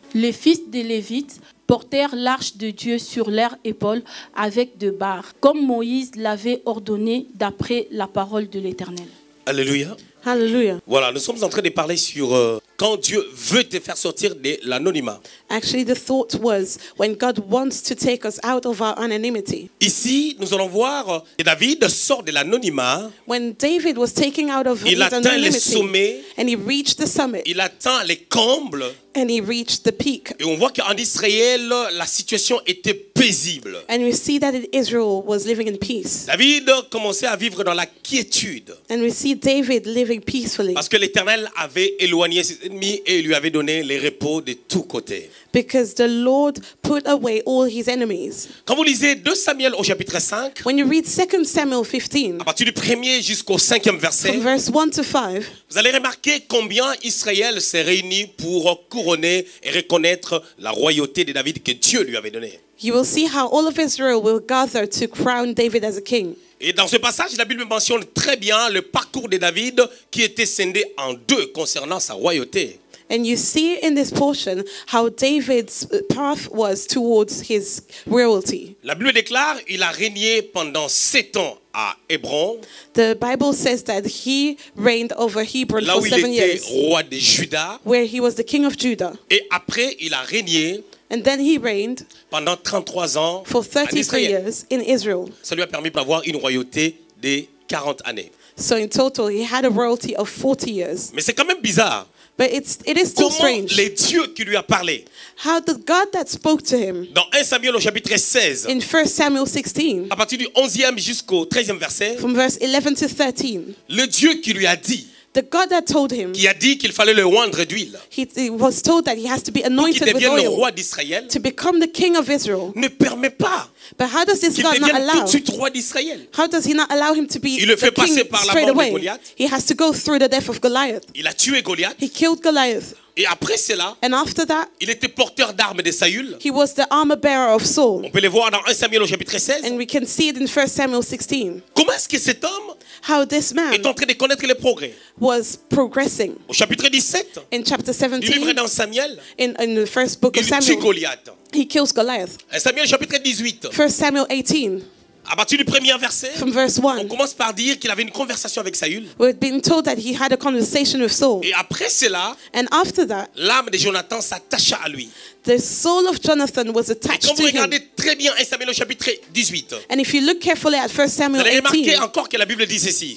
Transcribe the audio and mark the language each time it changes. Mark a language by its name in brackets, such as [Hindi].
[French] Les fils des Lévites portèrent l'arche de Dieu sur leur épaule avec deux barres, comme Moïse l'avait ordonné d'après la parole de l'Éternel. Alléluia. Alléluia. Voilà, nous sommes en train de parler sur quand Dieu veut te faire sortir de l'anonymat. [English] Actually, the thought was when God wants to take us out of our anonymity. [French] Ici, nous allons voir que David sort de l'anonymat. [English] When David was taken out of his anonymity, [French] il atteint les sommets. [English] And he reached the summit. [French] Il atteint les combles. [English] And he reached the peak. [French] Et on voit qu'en Israël, la situation était paisible. [English] And we see that Israel was living in peace. [French] David commençait à vivre dans la quiétude. [English] And we see David living peacefully. [French] Parce que l'Éternel avait éloigné ses ennemis et lui avait donné les repos de tous côtés. [English] Because the Lord put away all his enemies. [French] Quand vous lisez 2 Samuel au chapitre 5, [English] when you read 2 Samuel 15, [French] à partir du premier jusqu'au cinquième verset, [English] from verse 1 to 5, [French] vous allez remarquer combien Israël s'est réuni pour couronner et reconnaître la royauté de David que Dieu lui avait donnée. [English] You will see how all of Israel will gather to crown David as a king. [French] Et dans ce passage, la Bible mentionne très bien le parcours de David qui était scindé en deux concernant sa royauté. [English] And you see in this portion how David's path was towards his royalty. [French] La Bible déclare il a régné pendant 7 ans à Hébron. [English] The Bible says that he reigned over Hebron [French] là [English] for 7 years. [French] Là où il était roi de Juda. [English] Where he was the king of Judah. [French] Et après il a régné. [English] And then he reigned [French] pendant 33 ans [English] for 33 years in Israel. [French] Ça lui a permis d'avoir une royauté de 40 années. [English] So in total he had a royalty of 40 years. [French] Mais c'est quand même bizarre. [English] But it is still strange. [French] Comment les dieux qui lui a parlé? [English] How the God that spoke to him? [French] Dans 1 Samuel au chapitre 16. [English] In 1 Samuel 16. [French] À partir du 11e jusqu'au 13e verset. [English] From verse 11 to 13. [French] Le dieu qui lui a dit. [English] The God that told him. [French] Qui a dit qu'il fallait le oindre d'huile. [English] He was told that he has to be anointed with oil. [French] Pour qu'il devienne le roi d'Israël. [English] To become the king of Israel. [French] Ne permet pas. [English] But how does this God not allow? [French] Qu'il devienne tout de suite roi d'Israël. [English] How does he not allow him to be the king straight away? [French] Il le fait passer par la mort de Goliath. [English] He has to go through the death of Goliath. [French] Il a tué Goliath. [English] He killed Goliath. [French] Et après cela, [English] and after that, [French] il était porteur d'armes de Saül. [English] He was the armor bearer of Saul. [French] On peut le voir dans 1 Samuel au chapitre 16. [English] And we can see it in 1 Samuel 16. [French] Comment est-ce que cet homme [English] how this man [French] est en train de connaître les progrès? [English] Was progressing. [French] Au chapitre 17, [English] in chapter 17, [French] du livre dans Samuel, [English] in the first book [French] il [English] of Samuel, [French] tue Goliath. [English] He kills Goliath. [French] 1 Samuel chapitre 18. [English] 1 Samuel 18. [French] À partir du premier verset, [English] from verse 1, [French] on commence par dire qu'il avait une conversation avec Saül. [English] We've been told that he had a conversation with Saul. [French] Et après cela, [English] and after that, [French] l'âme de Jonathan s'attacha à lui. [English] The soul of Jonathan was attached to him. [French] Et quand vous regardez très bien 1 Samuel chapitre 18, [English] and if you look carefully at 1 Samuel 18, [French] vous allez remarquer encore que la Bible dit ceci.